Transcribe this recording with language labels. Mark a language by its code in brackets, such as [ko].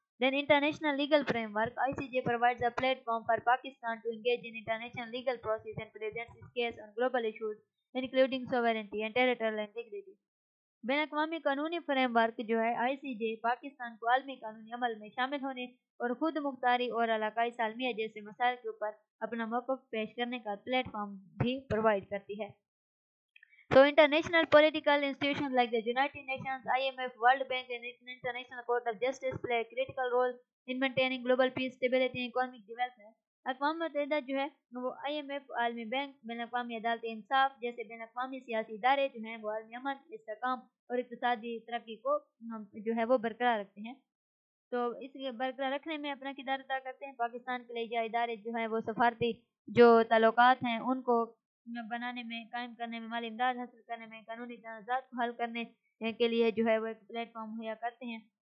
[en] Then international legal framework, ICJ provides a platform for Pakistan to engage in international legal process and present its case on global issues including sovereignty and territorial integrity. [ur] بین اقوامی قانونی frame work جو ہے آئی سی جے پاکستان کو عالمی قانونی عمل میں شامل ہونے اور خود مختاری اور علاقائی سالمیہ جیسے مسائل کے اوپر اپنا موقف پیش کرنے کا پلیٹ فارم بھی پروائیڈ کرتی ہے. [en] So international political institutions like the United Nations, IMF, World Bank and International Court of Justice play a critical role in maintaining global peace, stability and economic development. [ur] اقوام متحدہ جو ہے وہ I am F, عالمی bank, بین الاقوامی عدالت انصاف جیسے بین الاقوامی سیاسی ادارے جو ہیں وہ عالمی امن، استحکام اور اقتصادی ترقی کو جو ہے وہ برقرار رکھتے ہیں. تو اس کے برقرار رکھنے میں اپنا کردار ادا کرتے ہیں. پاکستان کے لیے یہ ادارے جو ہیں وہ سفارتی جو تعلقات ہیں ان کو بنانے میں، قائم کرنے میں، مالی امداد حاصل کرنے میں، قانونی تنازعات کو حل کرنے کے لیے جو ہے وہ ایک پلیٹ فارم مہیا کرتے ہیں.